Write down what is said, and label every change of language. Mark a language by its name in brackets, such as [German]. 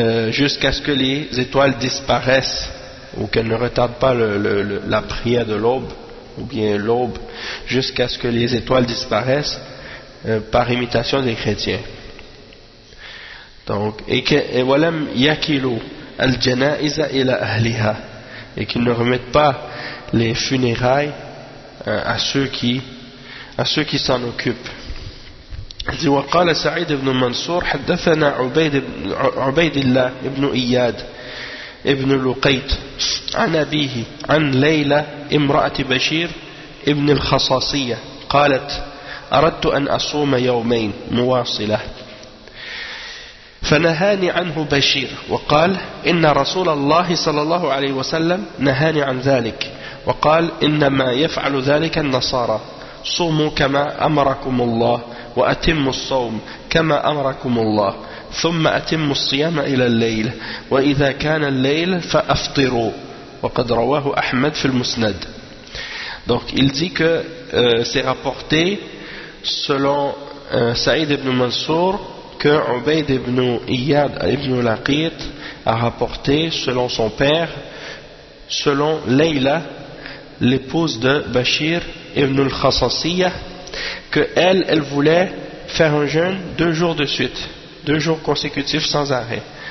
[French] jusqu'à ce que les étoiles disparaissent ou qu'elle ne retarde pas la prière de l'aube ou bien l'aube jusqu'à ce que les étoiles disparaissent par imitation des chrétiens. Donc et [Arabic] walam yakilu al-janaiza ila ahliha, [French] et qu'ils ne remettent pas les funérailles à ceux qui s'en occupent. [Arabic] وقال سعيد بن منصور حدثنا عبيد الله بن إياد بن لقيط عن أبيه عن ليلى امرأة بشير بن الخصاصية قالت أردت أن أصوم يومين مواصلة فنهاني عنه بشير وقال إن رسول الله صلى الله عليه وسلم نهاني عن ذلك وقال إنما يفعل ذلك النصارى صوموا كما أمركم الله وأتم الصوم كما أمركم الله ثم أتم الصيام إلى الليل وإذا كان الليل فأفطروا وقد رواه أحمد في المسند. [French] Donc il dit que c'est rapporté selon Saïd ibn Mansour que Ubayd ibn Iyad ibn Laqit a rapporté selon son père, selon Layla, l'épouse de Bashir ibn al-Khassasiyah, qu'elle voulait faire un jeûne 2 jours de suite, 2 jours consécutifs sans arrêt.